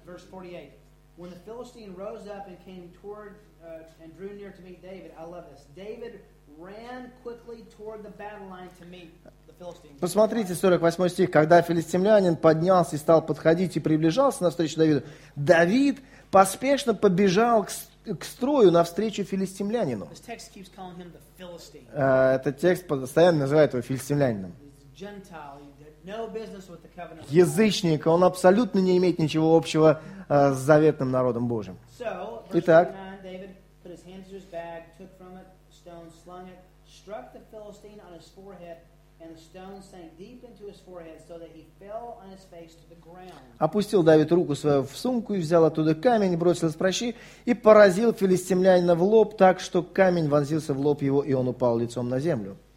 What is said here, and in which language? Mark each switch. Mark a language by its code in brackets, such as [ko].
[en] When the Philistine rose up and came toward and drew near to meet David, I love this. David ran quickly toward the battle line to meet the Philistine. [ru] Посмотрите 48 стих, когда филистимлянин поднялся и стал подходить и приближался навстречу Давиду. Давид поспешно побежал к строю навстречу филистимлянину. [en] This text keeps calling him the Philistine. [ru] Этот текст постоянно называет его филистимлянином. [en] Gentile. No business with the covenant of God. [ru] Язычник, он абсолютно не имеет ничего общего с заветным народом Божьим. [en] So, [ru] итак, [en] 39, David put his hands in his bag, took from it a stone, slung it, struck the Philistine on his forehead, and the stone sank deep into his forehead, so that he fell on his face to the ground. [ru] Опустил Давид руку свою в сумку и взял оттуда камень, бросил с пращи и поразил филистимлянина в лоб, так что камень вонзился в лоб его, и он упал лицом на землю.